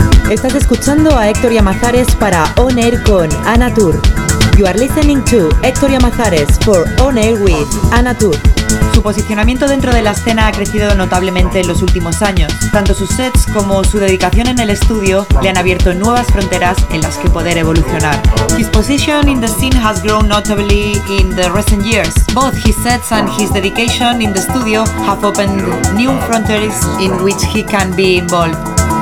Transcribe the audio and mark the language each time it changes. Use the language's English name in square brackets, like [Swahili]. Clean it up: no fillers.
[Spanish] Estás escuchando a Héctor Llamazares para On Air con Ana Tour. [English] You are listening to Héctor Llamazares for On Air with Ana Tour. [Spanish] Su posicionamiento dentro de la escena ha crecido notablemente en los últimos años. Tanto sus sets como su dedicación en el estudio le han abierto nuevas fronteras en las que poder evolucionar. [English] His position in the scene has grown notably in the recent years. Both his sets and his dedication in the studio have opened new frontiers in which he can be involved.